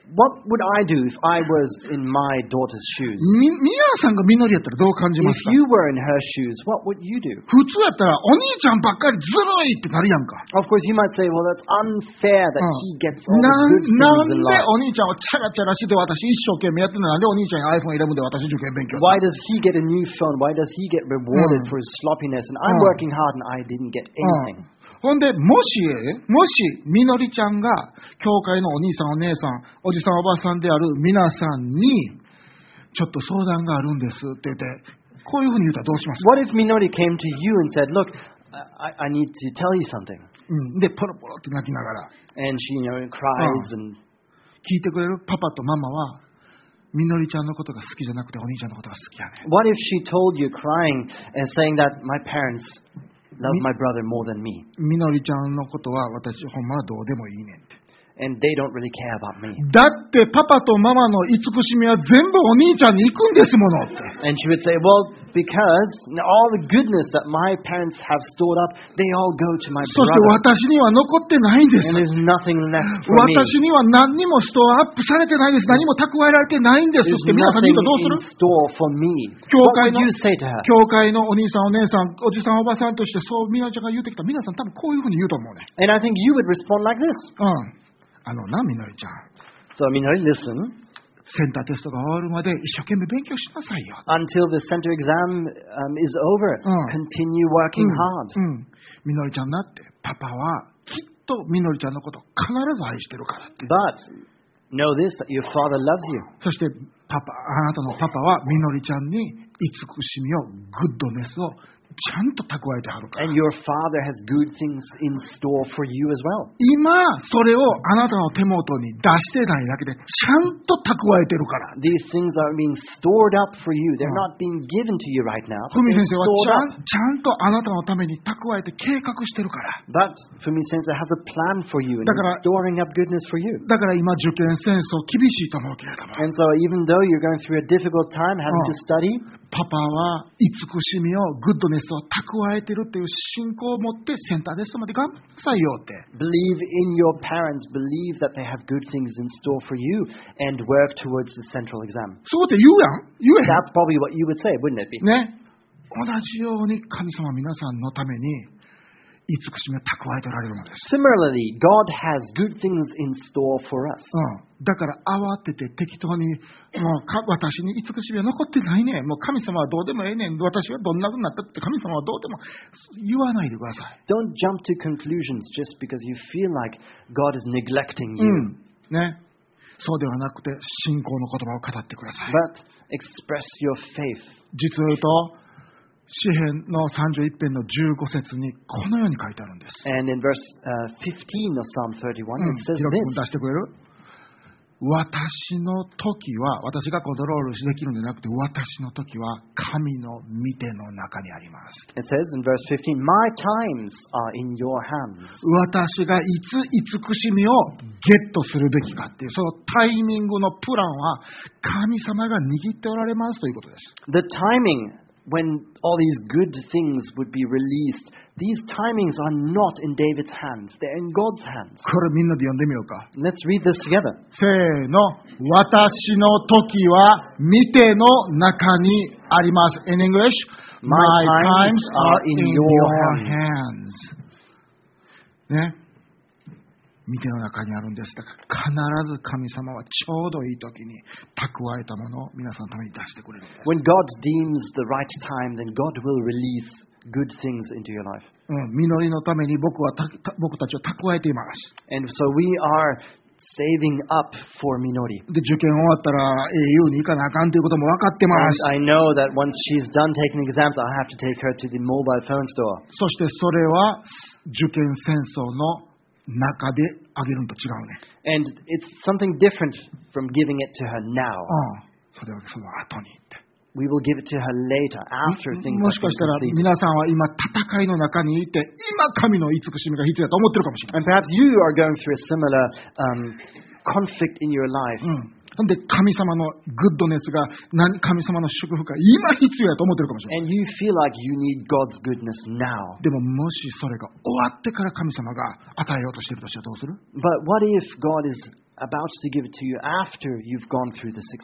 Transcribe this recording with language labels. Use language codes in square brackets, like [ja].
[en] What would I do if I was in my daughter's shoes? [ja] ミアさんがミノリやったらどう感じますか? [en] If you were in her shoes, what would you do? [ja] 普通やったらお兄ちゃんばっかりずるいってなるやんか。 [en] Of course, you might say, well, that's unfair that he gets all the good things in life. [ja] なんでお兄ちゃんはチャラチャラして私一生懸命やってるの?なんでお兄ちゃんが iPhone 11で私一生懸命勉強? [en] Why does he get a new phone? Why does he get rewarded for his sloppiness? And I'm working hard and I didn't get anything. [ja] ほんでもし、もしみのりちゃんが教会のお兄さんお姉さんおじさんおばさんである皆さんにちょっと相談があるんですって言ってこういうふうに言ったらどうしますか [en] What if Minori came to you and said, look, I need to tell you something.、 [ja] うん、で、ポロポロって泣きながら。 [en] And she, you know, cries and... [ja] 聞いてくれるパパとママはみのりちゃんのことが好きじゃなくてお兄ちゃんのことが好きやね。 [en] What if she told you crying and saying that my parents... Love my brother more than me. [ja] みのりちゃんのことは私ほんまはどうでもいいねんって。 [en] And they don't really care about me. [ja] だってパパとママの慈しみは全部お兄ちゃんに行くんですものって。 [en] And she would say, well, because all the goodness that my parents have stored up, they all go to my brother. [ja] そして私には残ってないんです。 [en] And there's nothing left for me. [ja] 私には何にもストアアップされてないんです。何も蓄えられてないんです。って皆さん言うとどうする？ [en] There's nothing in store for me. What would you say to her? [ja] 教会のお兄さんお姉さんおじさんおばさんとしてそうみなちゃんが言ってきた皆さん多分こういうふうに言うと思うね。 [en] And I think you would respond like this. [ja] あのなみのりちゃん。 [en] So, みのり、listen. [ja] センターテストが終わるまで一生懸命勉強しなさいよ。 [en] Until the center exam is over,、うん、continue working hard.、 [ja] うん、みのりちゃんなって、パパはきっとみのりちゃんのこと必ず愛してるからって。 [en] But know this that your father loves you. [ja] そしてパパ、あなたのパパはみのりちゃんに慈しみを、グッドネスをちゃんと蓄えてはるから。 [en] And your father has good things in store for you as well. [ja] 今それをあなたの手元に出してないだけでちゃんと蓄えてるから。 [en] These things are being stored up for you. They're not being given to you right now. [ja] ふみ先生はちゃんとあなたのために蓄えて計画してるから。 [en] But Fumi Sensei has a plan for you and storing up goodness for you. [ja] だから今受験戦争厳しいと思うけれども。 [en] And so even though you're going through a difficult time having to study. [ja] パパは慈しみをグッドネスを蓄えてるっていう信仰を持ってセンターテストまで頑張ってくださいよって。 [en] Believe in your parents. Believe that they have good things in store for you and work towards the central exam. [ja] そうって言うやん。言うやん。 [en] That's probably what you would say, wouldn't it be? [ja] ね。同じように神様皆さんのために慈しみを蓄えておられるのです。 [en] Similarly, God has good things in store for us.、 [ja] うん、だから慌てて適当にもう私に慈しみは残ってないね。もう神様はどうでもええねん。私はどんなふうになったって神様はどうでも言わないでください。 [en] Don't jump to conclusions just because you feel like God is neglecting you.、 [ja] うん、ね。そうではなくて信仰の言葉を語ってください。 [en] But express your faith. [ja] 実を言うと。詩編の31編の15節にこのように書いてあるんです。 [en] And in verse 15 of Psalm 31, it says this. [ja] 記録出してくれる？私の時は、私がコントロールできるんじゃなくて、私の時は神の御手の中にあります。 [en] It says in verse 15, My times are in your hands. [ja] 私がいつ慈しみをゲットするべきかっていう、そのタイミングのプランは神様が握っておられますということです。 [en] The timing... When all these good things would be released, these timings are not in David's hands; they're in God's hands. [ja] これみんなで読んでみようか。 [en] Let's read this together. [ja] せーの、私の時は御手の中にあります。 [en] In English, my times are in your hands. [ja] ね。見ての中にあるんですだから必ず神様はちょうどいい時に蓄えたものを皆さんのために出してくれる [en] When God deems the right time, then God will release good things into your life. [ja] 実りのために僕たちを蓄えています。 [en] And so we are saving up for 実り。 [ja] で受験終わったら AU に行かなあかんということも分かってます。 [en] And I know that once she's done taking exams, I'll have to take her to the mobile phone store. [ja] そしてそれは受験戦争の中であげるのと違うね。 [en] And it's something different from giving it to her now. [ja] それはその後に。 [en] We will give it to her later, after things [ja] もしかしたら皆さんは今戦いの中にいて、今神の慈しみが必要だと思ってるかもしれない。 [en] And perhaps you are going through a similar, conflict in your life.、 [ja] うんなんで神様のグッドネスが神様の祝福が今必要やと思ってるかもしれない。 [en] And you feel like you need God's goodness now. [ja] でももしそれが終わってから神様が与えようとしているとしたらどうする [en] ？But what if God is about to give it to you after you've gone through the six